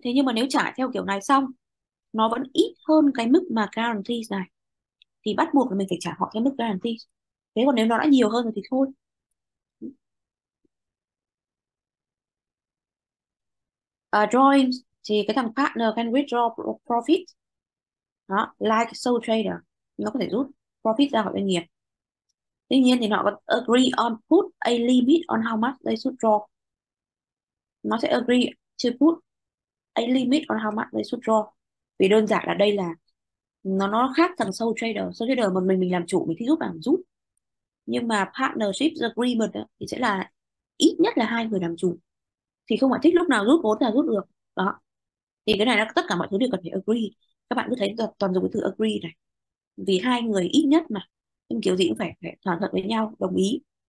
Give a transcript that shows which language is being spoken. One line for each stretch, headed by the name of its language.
Vietnamese: Thế nhưng mà nếu trả theo kiểu này xong nó vẫn ít hơn cái mức mà guarantee này thì bắt buộc là mình phải trả họ cái mức guarantee. Thế còn nếu nó đã nhiều hơn rồi thì thôi.
English: Joint
Vietnamese: thì cái thằng
English: partner can withdraw profit.
Vietnamese: Đó,
English: like sole trader,
Vietnamese: nó có thể rút profit ra khỏi doanh nghiệp. Tuy nhiên thì nó có
English: agree on put a limit on how much they should draw.
Vietnamese: Nó sẽ
English: agree to put a limit on how much they should draw.
Vietnamese: Vì đơn giản là đây là nó khác thằng sole trader. Sole trader mà mình làm chủ mình thích rút là rút. Nhưng mà partnership agreement đó, thì sẽ là ít nhất là hai người làm chủ thì không phải thích lúc nào rút vốn là rút được đó. Thì cái này nó tất cả mọi thứ đều cần phải agree. Các bạn cứ thấy toàn dùng cái từ agree này vì hai người ít nhất mà, nhưng kiểu gì cũng phải thỏa thuận với nhau đồng ý.